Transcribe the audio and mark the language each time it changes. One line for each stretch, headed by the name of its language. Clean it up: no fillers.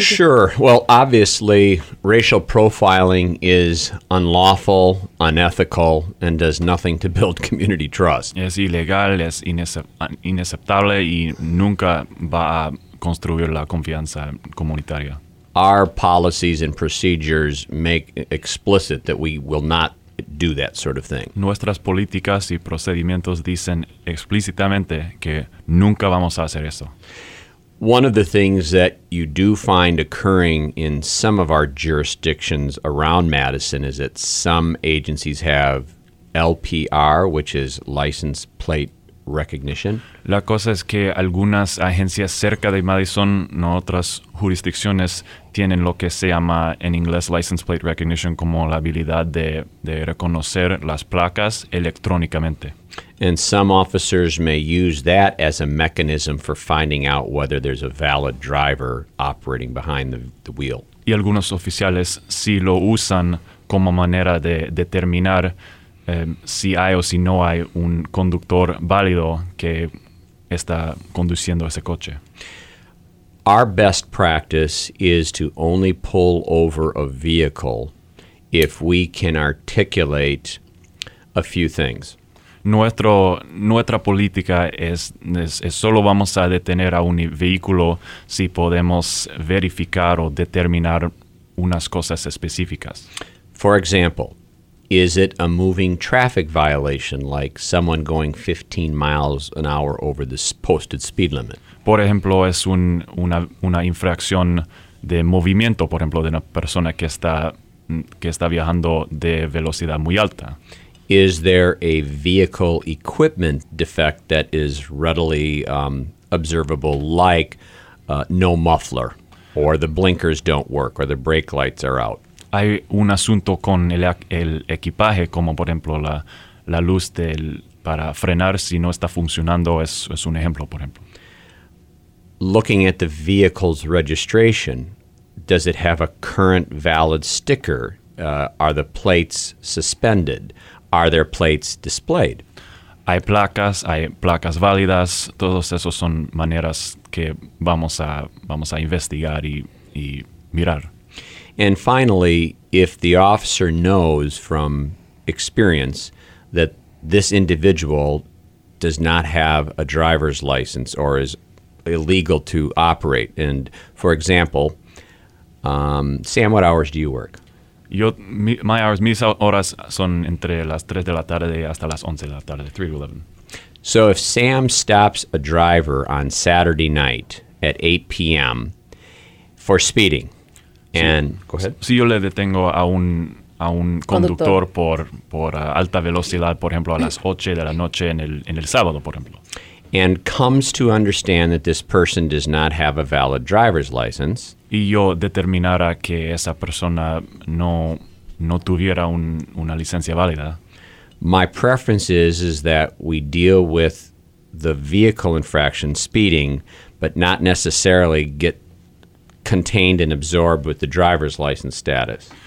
English: Sure. Well, obviously, racial profiling is unlawful, unethical, and does nothing to build community trust.
Spanish: Es ilegal, es inaceptable, y nunca va a construir la confianza comunitaria.
English: Our policies and procedures make explicit that we will not do that sort of thing.
Spanish: Nuestras políticas y procedimientos dicen explícitamente que nunca vamos a hacer eso.
English: One of the things that you do find occurring in some of our jurisdictions around Madison is that some agencies have LPR, which is license plate recognition.
Spanish: La cosa es que algunas agencias cerca de Madison, no otras jurisdicciones, tienen lo que se llama en inglés
English: license plate recognition,
Spanish: como la habilidad de reconocer las placas electrónicamente.
English: And some officers may use that as a mechanism for finding out whether there's a valid driver operating behind the wheel.
Spanish: Y algunos oficiales sí lo usan como manera de determinar si hay o si no hay un conductor válido que está conduciendo ese coche.
English: Our best practice is to only pull over a vehicle if we can articulate a few things.
Spanish: Nuestra política es solo vamos a detener a un vehículo si podemos verificar o determinar unas cosas específicas.
English: For example, is it a moving traffic violation, like someone going 15 miles an hour over the posted speed limit?
Spanish: Por ejemplo, es una infracción de movimiento, por ejemplo, de una persona que está viajando de velocidad muy alta.
English: Is there a vehicle equipment defect that is readily observable, like no muffler, or the blinkers don't work, or the brake lights are out?
Spanish: Hay un asunto con el equipaje, como por ejemplo la luz del para frenar si no está funcionando, es un ejemplo, por ejemplo.
English: Looking at the vehicle's registration, does it have a current valid sticker? Are the plates suspended? Are there plates displayed?
Spanish: Hay placas válidas. Todos esos son maneras que vamos a investigar y mirar.
English: And finally, if the officer knows from experience that this individual does not have a driver's license or is illegal to operate, and for example, Sam, what hours do you work?
Spanish: Mis horas son entre las 3 de la tarde hasta las 11 de la tarde,
English: 3 to 11. So if Sam stops a driver on Saturday night at 8 p.m. for speeding, and go ahead.
Spanish: Si yo le detengo a un conductor por alta velocidad, por ejemplo, a las 8 de la noche en el sábado, por ejemplo.
English: And comes to understand that this person does not have a valid driver's license.
Spanish: Y yo determinara que esa persona no tuviera una licencia válida.
English: My preference is that we deal with the vehicle infraction, speeding, but not necessarily get contained and absorbed with the driver's license status.